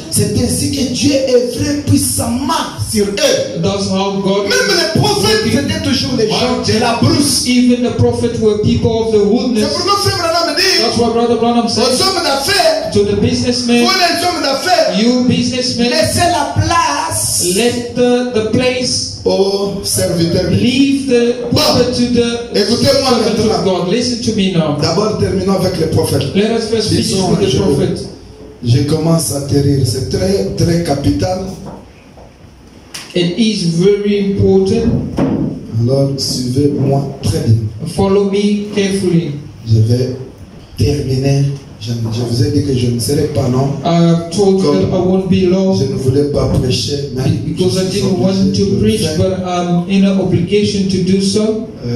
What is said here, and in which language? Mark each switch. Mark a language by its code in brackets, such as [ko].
[fr] C'est ainsi que Dieu est vrai puissamment sur eux. [en] That's how God. [fr] Même les prophètes étaient toujours les gens de la brousse. [en] Even the prophets were people of the wilderness. [fr] C'est pour nos frères Branham dit. [en] That's what Brother Branham said. [fr] Aux hommes d'affaires. [en] To the businessmen. [fr] Vous les hommes d'affaires. [en] You businessmen. [fr] Laissez la place. [en] house. Left the place. [fr] Oh, serviteur. [en] Leave the prophet to the. [fr] Écoutez-moi maintenant. [en] God, listen to me now. [fr] D'abord, terminons avec les prophètes. [en] Let us first finish with the prophet. [fr] Je commence à atterrir. C'est très très capital. [en] It is very important. [fr] Alors, suivez-moi très bien. [en] Follow me carefully. [fr] Je vais terminer. Je vous ai dit que je ne serai pas long. Je ne voulais pas prêcher, mais [en] I didn't want to preach, but I'm in an obligation to do so.